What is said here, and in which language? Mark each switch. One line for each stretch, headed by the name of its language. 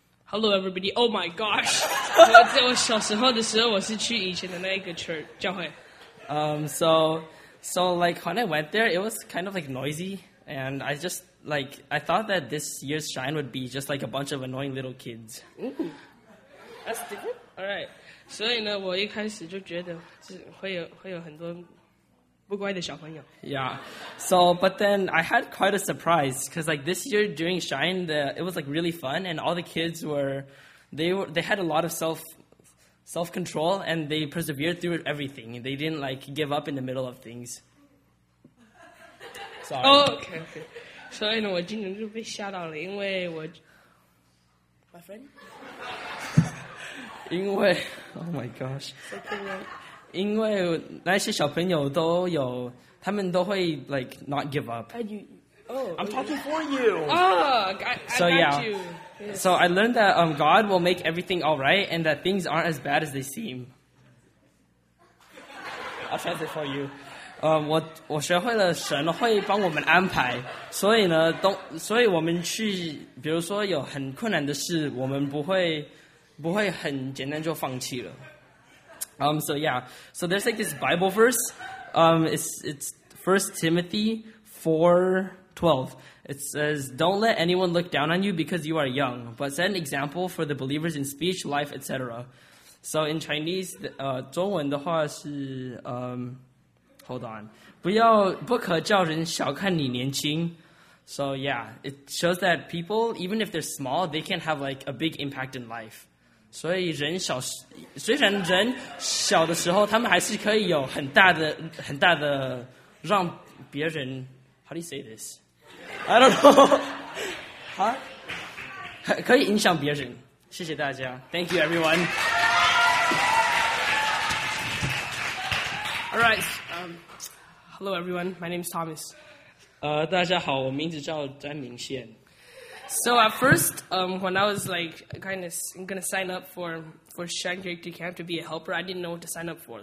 English: Hello, everybody. Oh my gosh.
Chinese: 在我小时候的时候，我是去以前的那一个 church 教会。
English: So like when I went there, it was kind of like noisy, and I just. Like, I thought that this year's shine would be just like a bunch of annoying little kids. Ooh, that's different. All right.
Chinese: 所以呢，我一开始就觉得是会有很多不乖的小朋友。
English: Yeah. So, but then I had quite a surprise because like this year during shine, it was like really fun, and all the kids had a lot of self-control, and they persevered through everything. They didn't like give up in the middle of things. Sorry. Oh, okay.
Chinese: 所以呢，我今年就被吓到了，因为我
English: ，my friend，
Chinese: 因为 ，
English: oh my gosh，
Chinese: 因为那些小朋友都有，他们都会
English: like not give up。 And you, oh, I'm talking for you. So I learned that God will make everything all right, and that things aren't as bad as they seem. I'll translate for you.
Chinese: 我学会了神会帮我们安排，所以呢，所以我们去，比如说有很困难的事，我们不会很简单就放弃了。
English: So there's like this Bible verse. It's 1 Timothy 4:12. It says, "Don't let anyone look down on you because you are young, but set an example for the believers in speech, life, etc." So in Chinese,
Chinese: 中文的话是
English: Hold on.
Chinese: 不可叫人小看你年轻。
English: So yeah, it shows that people, even if they're small, they can have like a big impact in life.
Chinese: 所以人小，虽然人小的时候，他们还是可以有很大的、很大的让别人。
English: How do you say this? I don't know.
Chinese: 哈，可以影响别人。谢谢大家。
English: Thank you, everyone. All right. Hello, everyone. My name is Thomas.
Chinese: 大家好，我名字叫詹明宪。
English: So at first, when I was like kind of gonna sign up for Shine Character Camp to be a helper, I didn't know what to sign up for.